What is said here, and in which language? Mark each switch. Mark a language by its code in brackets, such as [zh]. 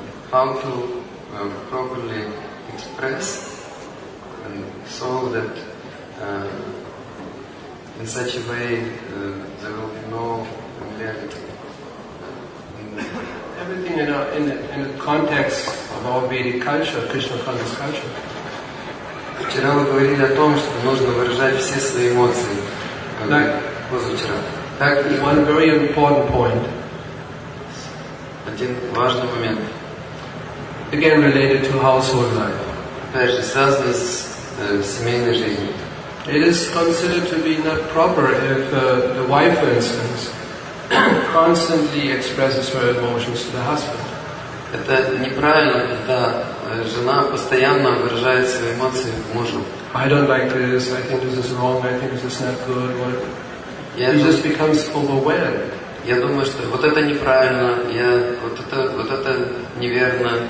[en] How to properly express so that in such a way there will be no familiarity. Everything in the context of our Vedic culture, Krishna conscious culture. [ru] Вчера вы говорили о том, что нужно выражать все свои эмоции. Позавчера. Так, [en] one very important point. [ru] Один важный момент. [en] Again, related to household life. [ru] Опять же, связано с семейной жизни. [en] It is considered to be not proper if the wife, for instance, constantly expresses her emotions to the husband. [ru] Это неправильно, когда жена постоянно выражает свои эмоции мужу. [en] I don't like this. I think this is wrong. I think this is not good. What? It just becomes overwhelmed. [ru] Я думаю, что вот это неправильно. Вот это неверно.